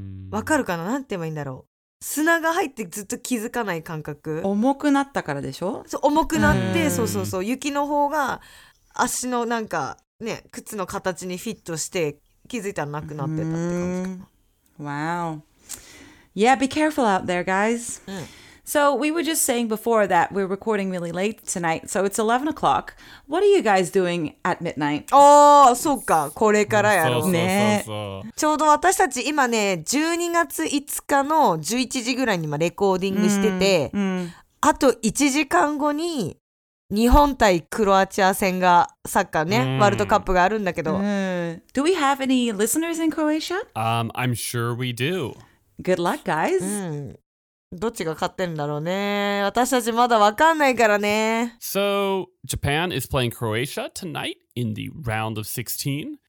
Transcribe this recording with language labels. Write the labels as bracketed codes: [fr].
[ja] わかるかな？なんて言えばいいんだろう。砂が入ってずっと気づかない感覚。重くなったからでしょ？そう、重くなって、そう、雪の方が足のなんかね靴の形にフィットして気づいたらなくなってたって感じかな。 [en] Wow. Yeah, be careful out there, guys. So we were just saying before that we're recording really late tonight, so it's 11 o'clock. What are you guys doing at midnight? [ja] Oh, そうか、これからやろうね。ちょうど私たち今ね、12月5日の11時ぐらいに今レコーディングしてて、あと1時間後に日本対クロアチア戦がサッカーね、ワールドカップがあるんだけど。 [en] Do we have any listeners in Croatia? I'm sure we do. Good luck, guys. [ja] どっちが勝ってるんだろうね。私たちまだわかんないからね。 [en] So, Japan is playing Croatia tonight in the round of 16.